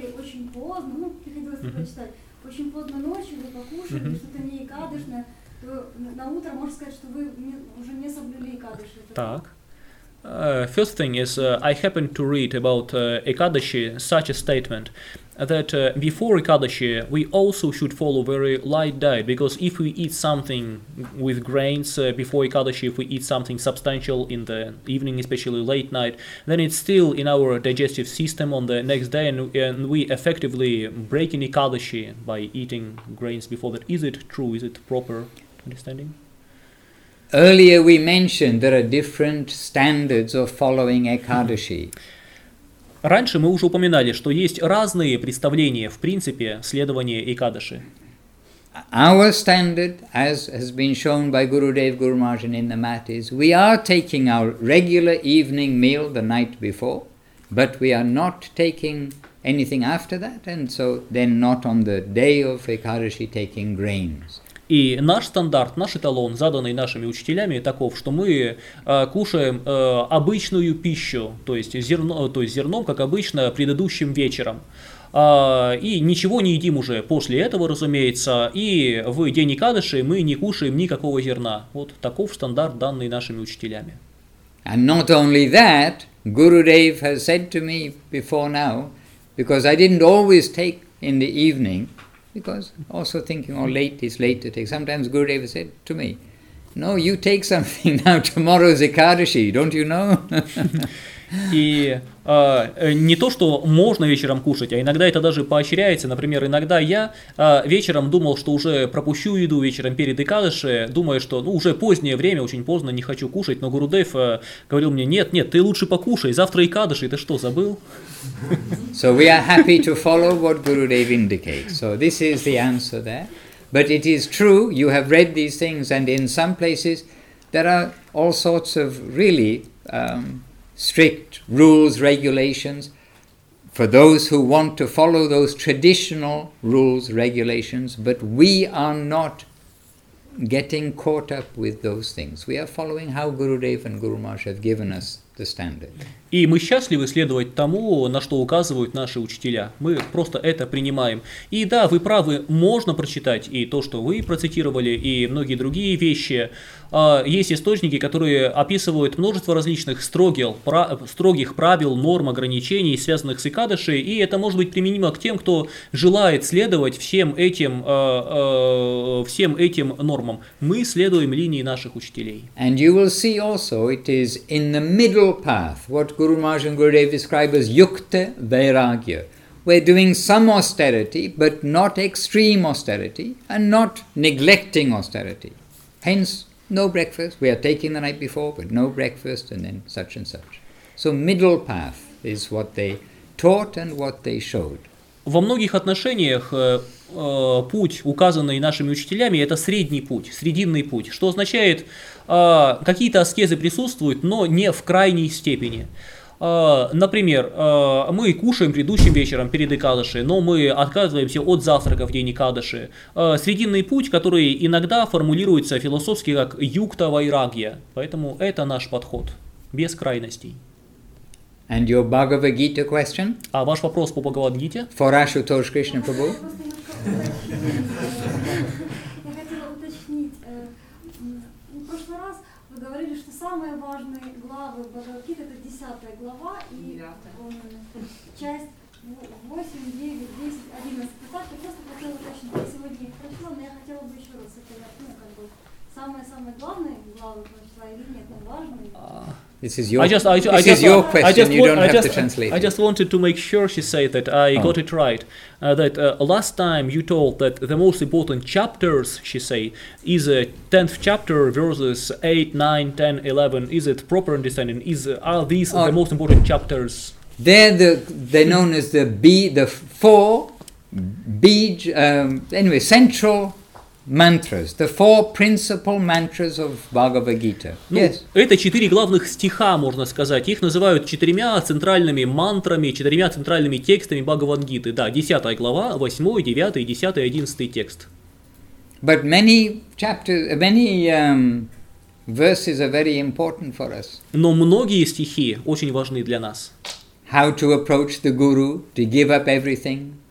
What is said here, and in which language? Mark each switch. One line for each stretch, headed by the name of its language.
Russian: Очень поздно ночью вы покушали, что-то не икадышное, то на утро можно сказать, что вы уже не соблюли икадыши. Так.
English: First thing is, I happened to read about Ekadashi such a statement that before Ekadashi, we also should follow very light diet, because if we eat something with grains before Ekadashi, if we eat something substantial in the evening, especially late night, then it's still in our digestive system on the next day, and we effectively break in Ekadashi by eating grains before that. Is it true? Is it proper understanding? Earlier we mentioned there are different standards of following Ekadashi.
Russian: Раньше мы уже упоминали, что есть разные представления в принципе следования Экадаши.
English: Our standard, as has been shown by Gurudev Guru Maharaj in the mat, is we are taking our regular evening meal the night before, but we are not taking anything after that, and so then not on the day of Ekadashi taking grains.
Russian: И наш стандарт, наш эталон, заданный нашими учителями, таков, что мы кушаем обычную пищу, то есть зерном, как обычно, предыдущим вечером. И ничего не едим уже после этого, разумеется, и в день Экадаши мы не кушаем никакого зерна. Вот таков стандарт, данный нашими учителями.
English: And not only that, Gurudev has said to me before now, because I didn't always take in the evening, because also thinking, oh, late is late to take. Sometimes Gurudev said to me, no, you take something now, tomorrow is Ekadashi, don't you know?
Russian: И не то, что можно вечером кушать, а иногда это даже поощряется. Например, иногда я вечером думал, что уже пропущу еду вечером перед Экадаши, думая, что ну, уже позднее время, очень поздно, не хочу кушать. Но Гурудев говорил мне, нет, ты лучше покушай, завтра Экадаши, ты что, забыл?
English: So we are happy to follow what Gurudev indicates. So this is the answer there. But it is true, you have read these things, and in some places there are all sorts of really strict rules, regulations. For those who want to follow those traditional rules, regulations, but we are not getting caught up with those things. We are following how Gurudev and Guru Maharaj have given us the standard.
Russian: И мы счастливы следовать тому, на что указывают наши учителя. Мы просто это принимаем. И да, вы правы, можно прочитать и то, что вы процитировали, и многие другие вещи. Есть источники, которые описывают множество различных строгих правил, норм, ограничений, связанных с Экадаши, и это может быть применимо к тем, кто желает следовать всем этим нормам. Мы следуем линии наших учителей.
English: And you will see also it is in the middle path, what Guru Maharaj and Gurudev describe as yukta vairagya. We're doing some austerity, but not extreme austerity, and not neglecting austerity. Hence, no breakfast. We are taking the night before, but no breakfast, and then such and such. So middle path is what they taught and what they showed.
Russian: Во многих отношениях путь, указанный нашими учителями, это средний путь, срединный путь, что означает, какие-то аскезы присутствуют, но не в крайней степени. Например, мы кушаем предыдущим вечером перед Экадаши, но мы отказываемся от завтрака в день Экадаши. Срединный путь, который иногда формулируется философски как юкта вайрагья. Поэтому это наш подход, без крайностей.
English: And your Bhagavad Gita question?
Russian: А ваш вопрос по Бхагавад Гите?
English: For Ashutosh Krishna Prabhu.
Russian: Я хотела уточнить. В прошлый раз вы говорили, что самые важные главы Бхагавад Гиты — это 10 глава и часть 8, 9, 10, 11. Так, я просто хотела уточнить. Я сегодня их прочла, но я хотела бы еще раз это, самые-самые главные главы прочла или нет, но важные.
English: This is your question, you don't have to translate it. I just wanted to make sure she said that I got it right. That last time you told that the most important chapters, she say, is a 10th chapter verses 8, 9, 10, 11. Is it proper understanding? Are these the most important chapters? They're known as central mantras, the four principal mantras of Bhagavad Gita. Yes.
Russian: Это четыре главных стиха, можно сказать. Их называют четырьмя центральными мантрами, четырьмя центральными текстами Бхагавад Гиты. Да, 10 глава, 8, 9, 10, 11 текст.
English: But many chapters, many verses are very important for us.
Russian: Но многие стихи очень важны для нас.
English: How to approach the guru, to give up everything.